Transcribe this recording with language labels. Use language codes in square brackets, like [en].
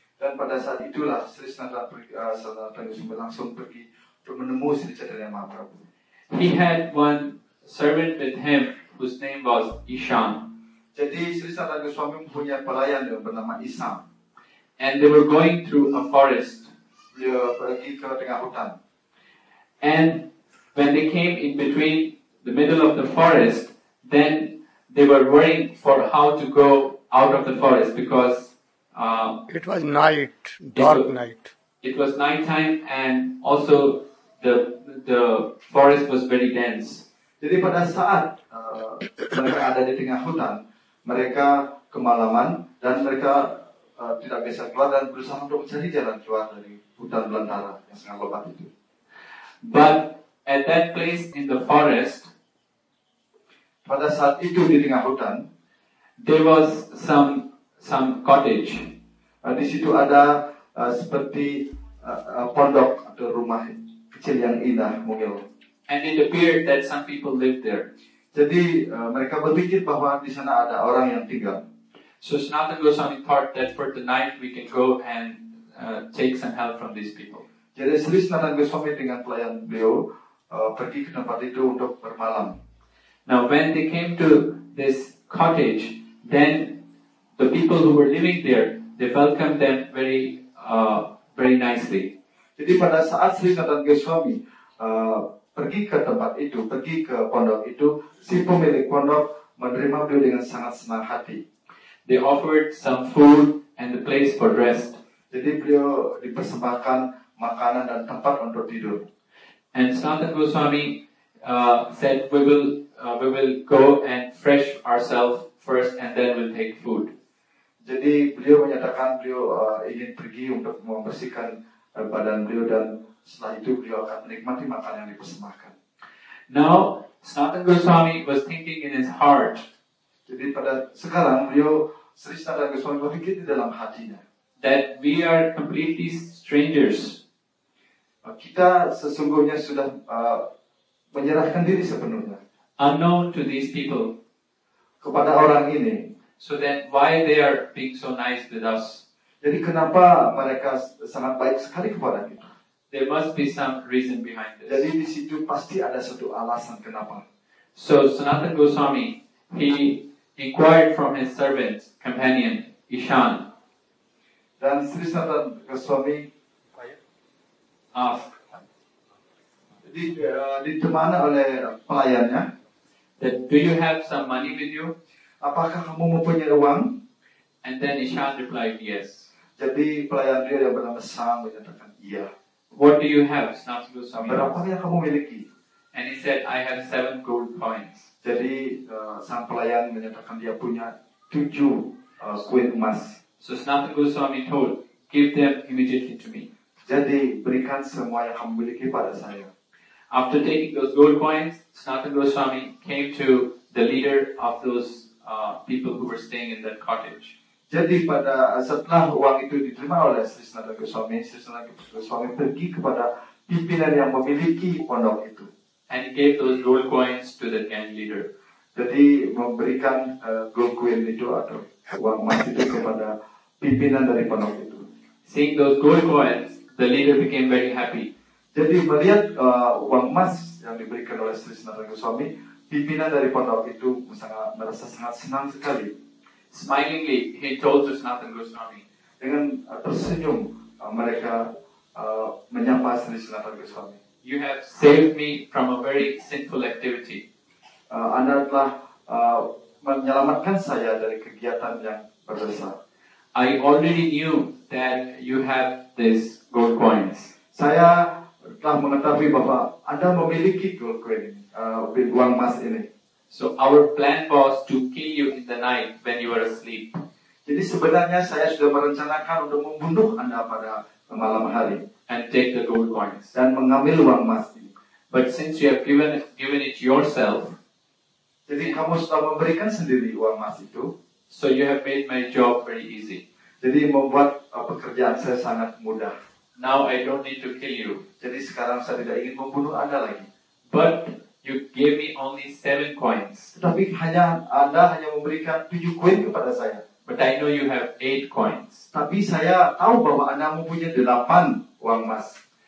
[id] Dan pada saat itulah Sri Sanatana Goswami langsung pergi untuk menemui Sri Chaitanya Mahaprabhu. [en] He had one servant with him whose name was Ishan. [id] Jadi Sri Sanatana Goswami punya pelayan yang bernama Ishan. [en] And they were going through a forest. [id] Dia pergi ke tengah hutan. [en] And when they came in between the middle of the forest, then they were worrying for how to go out of the forest because it was night, dark night. It was night time and also the forest was very dense. [id] Jadi pada saat mereka ada di tengah hutan, mereka kemalaman dan mereka tidak bisa keluar dan berusaha untuk mencari jalan keluar dari hutan belantara yang sangat lebat itu. [en] But at that place in the forest, [id] pada saat itu di tengah hutan, [en] there was some cottage. [id] Di situ ada seperti pondok atau rumah kecil yang indah, mungil. [en] And it appeared that some people lived there. [id] Jadi mereka berpikir bahwa di sana ada orang yang tinggal. [en] So Sanatana Goswami thought that for tonight we can go and take some help from these people. [id] Jadi Sri Sanatana Goswami dengan pelayan beliau pergi ke tempat itu untuk bermalam. [en] Now when they came to this cottage, then the people who were living there, they welcomed them very very nicely. [id] Jadi pada saat Sri Sanatana Goswami pergi ke tempat itu, pergi ke pondok itu, si pemilik pondok menerima beliau dengan sangat senang hati. [en] They offered some food and the place for rest. [id] Jadi beliau dipersembahkan makanan dan tempat untuk tidur. [en] And Sanatana Goswami said, we will go and fresh ourselves first and then we'll take food. [id] Jadi beliau menyatakan beliau ingin pergi untuk membersihkan badan beliau dan setelah itu beliau akan menikmati makanan yang dipersembahkan. [en] Now, Sanatana Goswami was thinking in his heart. [id] Jadi pada sekarang beliau Sri Sanatana Goswami berpikir di dalam hatinya. [en] That we are completely strangers. [id] Kita sesungguhnya sudah menyerahkan diri sepenuhnya. [en] Unknown to these people. [id] Kepada orang ini. [en] So then why they are being so nice with us? [id] Jadi kenapa mereka sangat baik sekali kepada kita? [en] There must be some reason behind this. [id] Jadi di situ pasti ada satu alasan kenapa. [en] So Sanatana Goswami, he inquired from his servant, companion, Ishan. [id] Dan Sri Sanatana Goswami [en] asked, [id] ditemani oleh pelayannya, [en] that do you have some money with you? [id] Apakah kamu mempunyai uang? [en] And then Ishan replied, yes. [id] Jadi pelayan dia yang bernama Sam menyatakan iya. [en] What do you have, Sam Goswami? [id] Berapa yang kamu miliki? [en] And he said, I have 7 gold coins. [id] Jadi sang pelayan menyatakan dia punya 7 koin emas. [en] So Sanatana Goswami told, give them immediately to me. [id] Jadi berikan semua yang kamu miliki pada saya. [en] After taking those gold coins, Sanatana Goswami came to the leader of those people who were staying in that cottage. [id] Jadi pada setelah uang itu diterima oleh Sri Sanatana Goswami, Sri Sanatana Goswami pergi kepada pimpinan yang memiliki pondok itu. [en] And gave those gold coins to the gang leader. [id] Jadi memberikan [en] gold coin [id] itu atau uang emas itu kepada pimpinan dari pondok itu. [en] Seeing those gold coins, the leader became very happy. [id] Jadi melihat uang emas yang diberikan oleh Sri Sanatana Goswami, pimpinan dari pondok itu sangat merasa sangat senang sekali. [en] Smilingly, he told Sri Sanatana Goswami. [id] Dengan tersenyum mereka menyapa Sri Sanatana Goswami. [en] You have saved me from a very sinful activity. [id] Anda telah menyelamatkan saya dari kegiatan yang berdosa. [en] I already knew that you have this gold coins. [id] Saya telah mengetahui bahwa Anda memiliki [en] gold coin, [id] uang emas ini. [en] So our plan was to kill you in the night when you were asleep. [id] Jadi sebenarnya saya sudah merencanakan untuk membunuh Anda pada malam hari. [en] And take the gold coins. [id] Dan mengambil uang emas ini. [en] But since you have given it yourself, [id] jadi kamu sudah memberikan sendiri uang emas itu. [en] So you have made my job very easy. [id] Jadi membuat pekerjaan saya sangat mudah. [en] Now I don't need to kill you. [id] Jadi sekarang saya tidak ingin membunuh Anda lagi. [en] But you gave me only 7 coins. [id] Tapi hanya Anda hanya memberikan 7 koin kepada saya. [en] But I know you have 8 coins. [id] Tapi saya tahu bahwa Anda mempunyai 8 uang emas.